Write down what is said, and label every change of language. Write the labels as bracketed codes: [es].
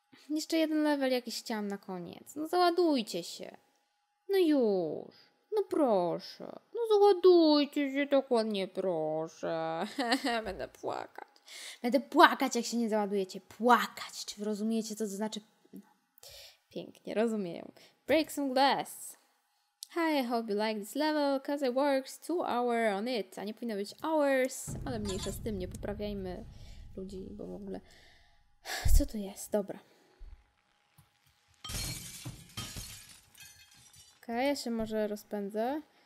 [pl] Jeszcze jeden level jakiś chciałam na koniec. No załadujcie się. No już. No proszę. No załadujcie się dokładnie, proszę. Będę płakać. Będę płakać, jak się nie załadujecie. Płakać. Czy wy rozumiecie, co to znaczy? Pięknie, rozumieją. [en] Break some glass. Hi, I hope you like this level, cause I worked 2 hours on it. [pl] A nie powinno być hours, ale mniejsza z tym. Nie poprawiajmy ludzi, bo w ogóle... Co to jest? Dobra. Okej, okay, ja się może rozpędzę.